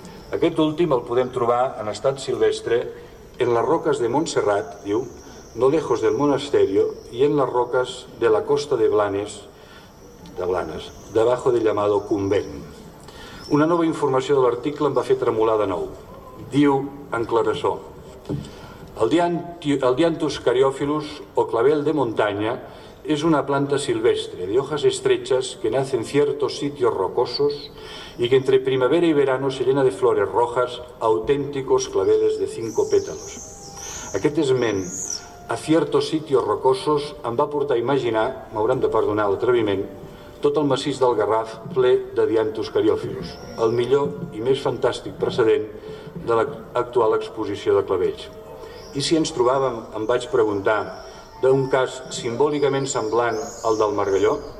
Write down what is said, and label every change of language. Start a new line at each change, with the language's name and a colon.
Catalan: Aquest últim el podem trobar en estat silvestre en les roques de Montserrat, diu,
Spanish: no lejos del monasterio,
Catalan: i en les roques de la costa de Blanes,
Spanish: debajo del llamado convent.
Catalan: Una nova informació de l'article em va fer tremolar de nou. Diu en Clarasó, el Dianthus cariophilus o clavell de muntanya
Spanish: es una planta silvestre de hojas estrechas que nace en ciertos sitios rocosos y que entre primavera y verano se llena de flores rojas, auténticos claveles de 5 pétalos.
Catalan: Aquest esment a
Spanish: ciertos sitios rocosos
Catalan: em va portar a imaginar, m'hauran de perdonar l'atreviment, tot el massís del Garraf ple de Dianthus cariophilus, el millor i més fantàstic precedent de l'actual exposició de clavells. I si ens trobàvem, em vaig preguntar, d'un cas simbòlicament semblant al del Margalló?